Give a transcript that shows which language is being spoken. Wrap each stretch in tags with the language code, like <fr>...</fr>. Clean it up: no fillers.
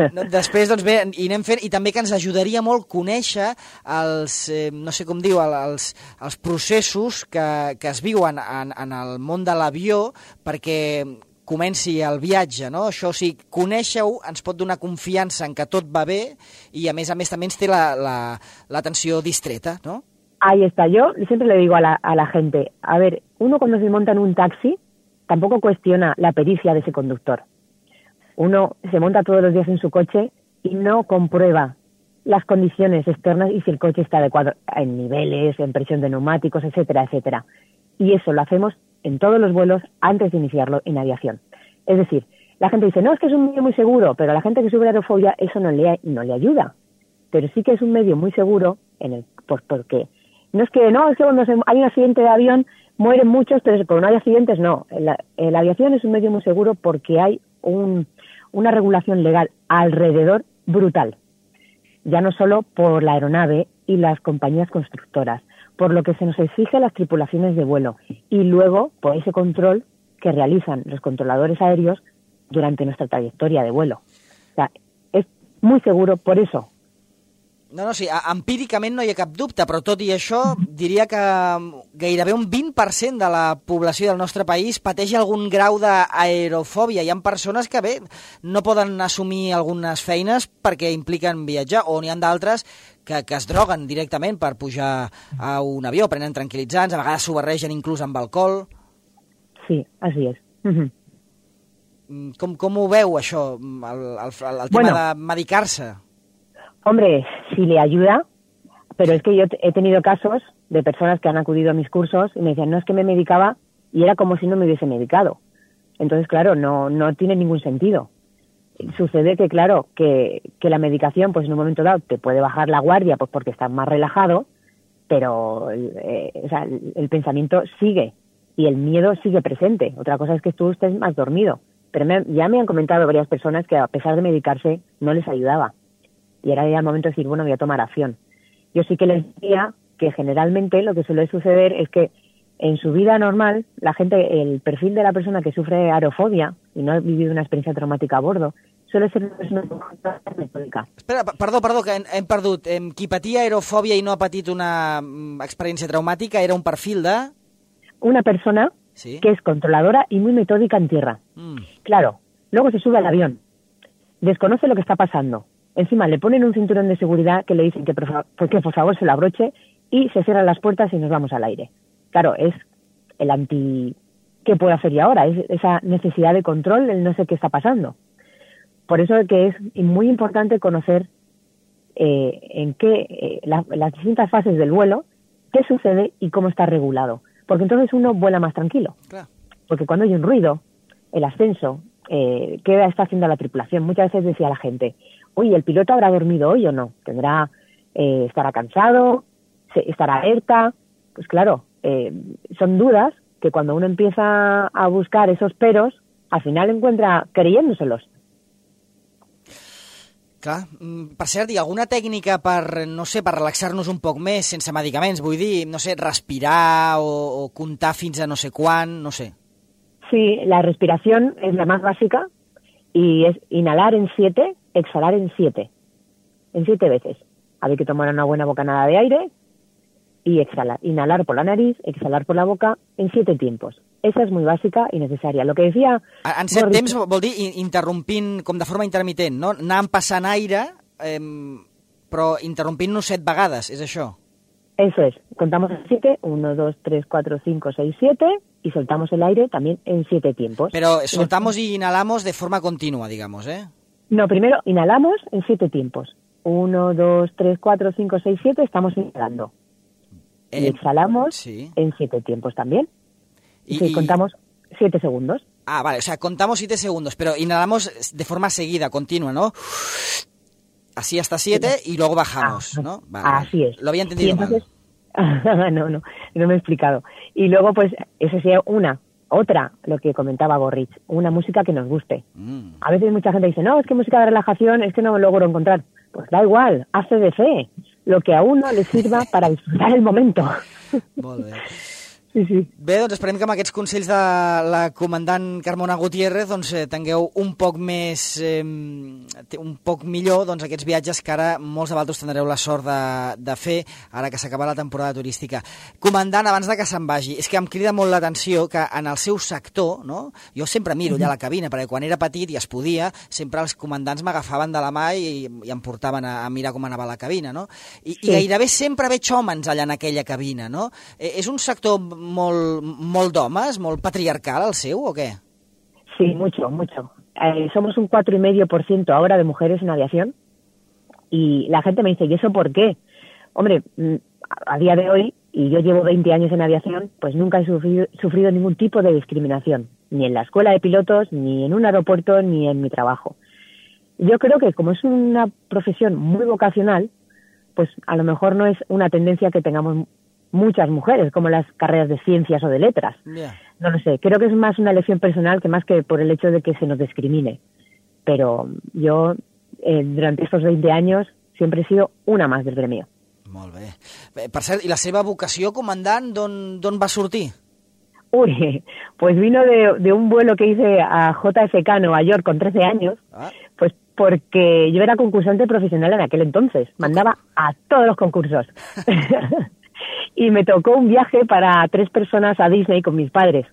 <ca>Després, doncs bé, i anem fent, i també que ens ajudaria molt conèixer els, no sé com diu, els processos que es viuen en el món de l'avió perquè comenci el viatge, no? Això, o sigui, conèixer-ho ens pot donar confiança en que tot va bé i, a més també ens té l'atenció distreta, no?</ca> <es>Ahí está. Yo siempre le digo a la gente, a ver, uno cuando se monta en un taxi tampoco cuestiona la pericia de ese conductor. Uno se monta todos los días en su coche y no comprueba las condiciones externas y si el coche está adecuado en niveles, en presión de neumáticos, etcétera, etcétera. Y eso lo hacemos en todos los vuelos antes de iniciarlo en aviación. Es decir, la gente dice, no, es que es un medio muy seguro, pero a la gente que sube aerofobia eso no le ayuda. Pero sí que es un medio muy seguro porque no es que, no, es que cuando hay un accidente de avión mueren muchos, pero cuando no hay accidentes, no. La aviación es un medio muy seguro porque hay una regulación legal alrededor brutal. Ya no solo por la aeronave y las compañías constructoras, por lo que se nos exige a las tripulaciones de vuelo y luego por ese control que realizan los controladores aéreos durante nuestra trayectoria de vuelo. O sea, es muy seguro por eso.</es> <ca>No, sí, empíricament no hi ha cap dubte, però tot i això diria que gairebé un 20% de la població del nostre país pateix algun grau d'aerofòbia. Hi ha persones que, bé, no poden assumir algunes feines perquè impliquen viatjar, o n'hi ha d'altres que es droguen directament per pujar a un avió, prenen tranquil·litzants, a vegades s'ho barregen inclús amb alcohol. Sí, així és. Com ho veu, això, el tema de medicar-se?</ca> <es>Hombre, si le ayuda, pero es que yo he tenido casos de personas que han acudido a mis cursos y me decían, no, es que me medicaba y era como si no me hubiese medicado. Entonces, claro, no tiene ningún sentido. Sucede que, claro, que la medicación, pues en un momento dado, te puede bajar la guardia pues porque estás más relajado, pero el pensamiento sigue y el miedo sigue presente. Otra cosa es que tú estés más dormido. Pero ya me han comentado varias personas que a pesar de medicarse no les ayudaba. Y era ya el momento de decir, bueno, voy a tomar acción. Yo sí que les diría que generalmente lo que suele suceder es que en su vida normal, la gente, el perfil de la persona que sufre aerofobia y no ha vivido una experiencia traumática a bordo, suele ser una persona con discapacidad metódica.</es> <ca>Espera, perdó, hem perdut. Qui patia aerofòbia i no ha patit una experiència traumàtica era un perfil de...</ca> <es>Una persona sí. que es controladora y muy metódica en tierra. Claro, luego se sube al avión, desconoce lo que está pasando. Encima le ponen un cinturón de seguridad que le dicen que por favor se lo abroche y se cierran las puertas y nos vamos al aire. Claro, es el anti... ¿Qué puedo hacer yo ahora? Es esa necesidad de control, el no sé qué está pasando. Por eso es que es muy importante conocer las distintas fases del vuelo, qué sucede y cómo está regulado. Porque entonces uno vuela más tranquilo. Claro. Porque cuando hay un ruido, el ascenso, ¿qué está haciendo la tripulación? Muchas veces decía la gente, uy, ¿el piloto habrá dormido hoy o no? ¿Tendrá, estará cansado? ¿Estará alerta? Pues claro, son dudas que cuando uno empieza a buscar esos peros, al final encuentra creyéndoselos.</es> <ca>Clar. Per cert, hi ha alguna tècnica per, no sé, per relaxar-nos un poc més sense medicaments? Vull dir, no sé, respirar o comptar fins a no sé quan, no sé.</ca> <es>Sí, la respiración es la más básica y es inhalar en 7, exhalar en 7. En 7 veces. Hay que tomar una buena bocanada de aire y exhalar. Inhalar por la nariz, exhalar por la boca en 7 tiempos. Esa es muy básica y necesaria. Lo que decía...</es> <ca>En 7 temps vol dir interrompint com de forma intermitent, no? Anant passant aire, però interrompint-nos 7 vegades, és això?</ca> <es>Eso es. Contamos en 7, 1, 2, 3, 4, 5, 6, 7... Y soltamos el aire también en 7 tiempos. Pero soltamos y inhalamos de forma continua, digamos, ¿eh? No, primero inhalamos en 7 tiempos. 1, 2, 3, 4, 5, 6, 7, estamos inhalando. Y exhalamos sí. en 7 tiempos también. Y contamos 7 segundos. Ah, vale, o sea, contamos 7 segundos, pero inhalamos de forma seguida, continua, ¿no? Así hasta 7 y luego bajamos, ¿no? Vale. Así es. Lo había entendido entonces, mal. No me he explicado. Y luego, pues, eso sí, otra, lo que comentaba Gorrich, una música que nos guste. A veces mucha gente dice, no, es que música de relajación, es que no logro encontrar. Pues da igual, hace de fe, lo que a uno le sirva para disfrutar el momento.</es> <ca>Molt bé. Sí, sí. Bé, doncs esperem que amb aquests consells de la comandant Carmona Gutiérrez, doncs, tingueu un poc més, un poc millor, doncs, aquests viatges que ara molts de vosaltres tindreu la sort de fer ara que s'acaba la temporada turística. Comandant, abans de que se'n vagi, és que em crida molt l'atenció que en el seu sector, no? Jo sempre miro allà a la cabina, perquè quan era petit i es podia, sempre els comandants m'agafaven de la mà i em portaven a mirar com anava la cabina, no? I gairebé sempre veig homes allà en aquella cabina, no? És un sector molt d'homes, molt patriarcal el seu, o què?</ca> <es>Sí, mucho. Somos un 4,5% ahora de mujeres en aviación y la gente me dice, ¿y eso por qué? Hombre, a día de hoy, y yo llevo 20 años en aviación, pues nunca he sufrido ningún tipo de discriminación, ni en la escuela de pilotos, ni en un aeropuerto, ni en mi trabajo. Yo creo que como es una profesión muy vocacional, pues a lo mejor no es una tendencia que tengamos muchas mujeres, como las carreras de ciencias o de letras.</es> <en>Yeah.</en> <es>No lo sé, creo que es más una elección personal que más que por el hecho de que se nos discrimine. Pero yo, durante estos 20 años, siempre he sido una más del gremio.</es> <ca>Molt bé. Per cert, ¿y la seva vocació, comandant, d'on va sortir?</ca> <es>Uy, pues vino de un vuelo que hice a JFK, Nueva York, con 13 años, pues porque yo era concursante profesional en aquel entonces. Mandaba a todos los concursos. Y me tocó un viaje para 3 personas a Disney con mis padres.</es>